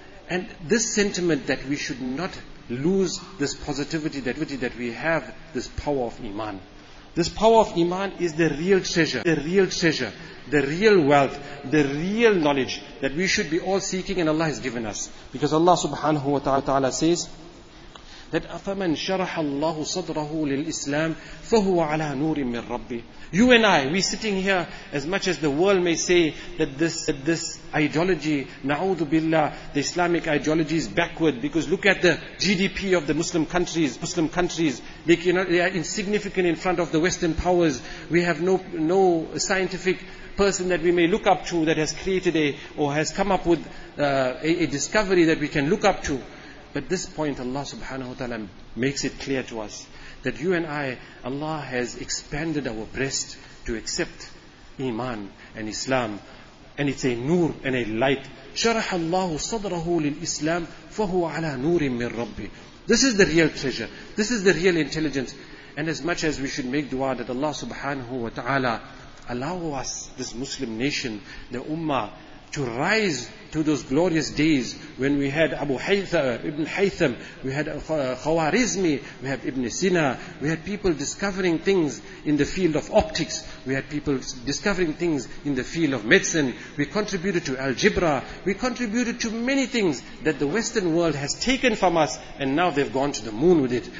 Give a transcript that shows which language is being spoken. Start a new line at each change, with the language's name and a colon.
English: And this sentiment that we should not lose this positivity, that we have this power of iman. This power of iman is the real treasure, the real wealth, the real knowledge that we should be all seeking, and Allah has given us. Because Allah subhanahu wa ta'ala says that
Arabic: أَفَمَنْ شَرَحَ اللَّهُ صَدْرَهُ لِلْإِسْلَامِ فَهُوَ عَلَى نُورٍ مِّن رَبِّهِ.
English: You and I, we're sitting here, as much as the world may say that this ideology,
Arabic: نَعُوذُ بِاللَّهِ,
English: the Islamic ideology is backward, because look at the GDP of the Muslim countries, they are insignificant in front of the Western powers. We have no scientific person that we may look up to that has created or has come up with a discovery that we can look up to. But this point, Allah subhanahu wa ta'ala makes it clear to us that you and I, Allah has expanded our breast to accept Iman and Islam. And it's a nur and a light.
Arabic: شرح الله صدره للإسلام فهو على نور من ربي.
English: This is the real treasure. This is the real intelligence. And as much as we should make dua that Allah subhanahu wa ta'ala allow us, this Muslim nation, the ummah, to rise to those glorious days when we had Abu Haytham, Ibn Haytham, we had Khawarizmi, we have Ibn Sina, we had people discovering things in the field of optics, we had people discovering things in the field of medicine, we contributed to algebra, we contributed to many things that the Western world has taken from us, and now they've gone to the moon with it.